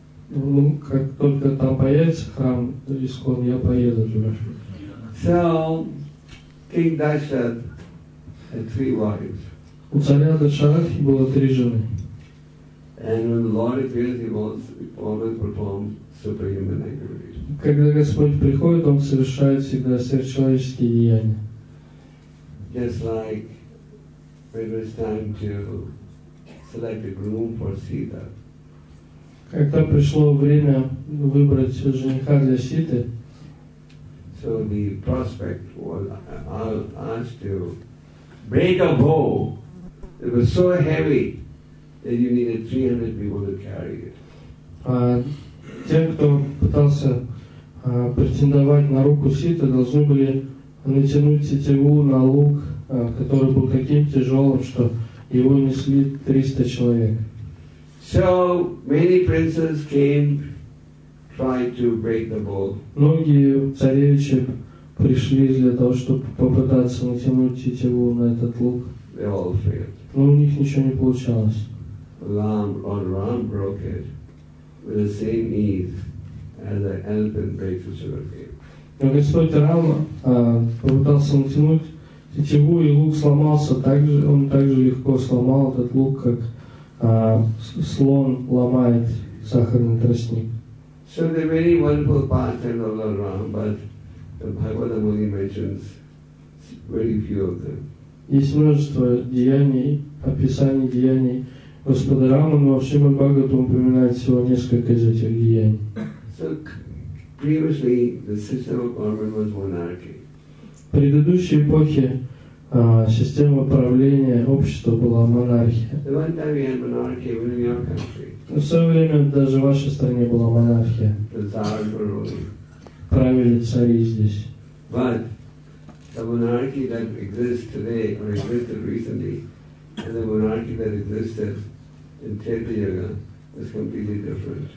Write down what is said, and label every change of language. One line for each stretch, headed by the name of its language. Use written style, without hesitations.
Russian: Ну, как только там появится храм Искон, я поеду туда.
English: So, King Dashrath had three wives.
Russian: У царя Дашарати было три жены.
English: And when the Lord appears, He always performs superhuman activities.
Russian: Когда Господь приходит, Он совершает всегда сверхчеловеческие деяния.
English: Just like when it was time to select a groom for Sita.
Russian: Когда пришло время выбрать жениха для Ситы,
English: so the prospect was asked to break a bow. It was so heavy that you needed 300 people to carry it.
Russian: Тем, кто пытался претендовать на руку Ситы, должны были натянуть тетиву на лук, который был таким тяжелым, что его несли 300 человек.
English: So many princes came, tried to break the bow.
Russian: Многие царевичи пришли для того, чтобы попытаться натянуть тетиву на этот лук.
English: They all failed.
Russian: Но у них ничего не получалось.
English: Ram broke it with the same ease as an elephant breaks a sugar cane.
Russian: Но Господь Рама попытался натянуть тетиву, и лук сломался, также он также легко сломал этот лук, как слон ломает сахарный тростник.
English: So there are many wonderful pastimes of Lord Ram, but the Bhagavad Gita mentions very few of them.
Russian: Есть множество деяний, описаний деяний Господа Рамы, но в Шримад Бхагаватам упоминает всего несколько из этих деяний.
English: So, previously, the system of government was monarchy.
Russian: В предыдущей эпохе система правления общества была монархия.
English: So, one time we had monarchy even in your country.
Russian: В свое время даже в вашей стране была монархия.
English: The Tsars were ruling.
Russian: Правили цари здесь.
English: But the monarchy that exists today, or existed recently, and the monarchy that existed in Tripura Yuga is completely different.